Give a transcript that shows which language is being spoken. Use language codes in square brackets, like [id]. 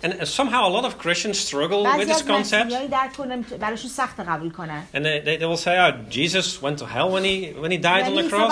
[en] And somehow a lot of Christians struggle with this concept. [fa] بعضی از مسیحیان درک کنم براشون سخت قبول کنن. [en] And they will say, oh, Jesus went to hell when he died on the cross.